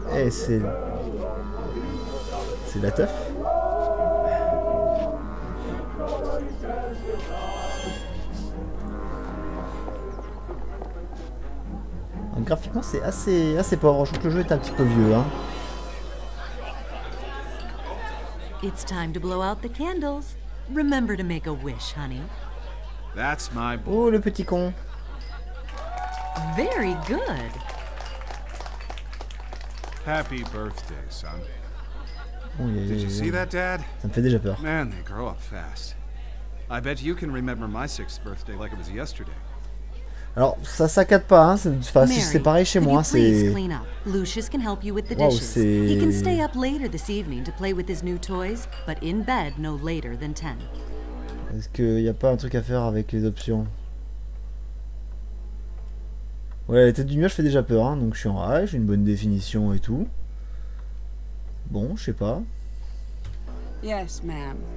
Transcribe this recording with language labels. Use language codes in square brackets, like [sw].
[fr] C'est la teuf. Ah Graphiquement, c'est assez pauvre. Je trouve que le jeu est un petit peu vieux, hein. [en] It's time to blow out the candles. Remember to make a wish, honey. That's my [fr] boy. Oh, le petit con. [en] Very good. Happy birthday, son. Oh, yeah, did you see that, Dad? [fr] Ça me fait déjà peur. [en] Man, they grow up fast. I bet you can remember my sixth birthday like it was yesterday. [fr] Alors, ça s'accade pas, hein. Enfin, Mary, c'est pareil chez moi, c'est... [en] Lucius can help you with the dishes. [fr] Wow, c'est... [en] He can stay up later this evening to play with his new toys, but in bed no later than 10. [fr] Est-ce qu'il y a pas un truc à faire avec les options? Ouais, la tête du mur, je fais déjà peur, hein. Donc je suis en rage, j'ai une bonne définition et tout. Bon, je sais pas. [en] Yes, ma'am.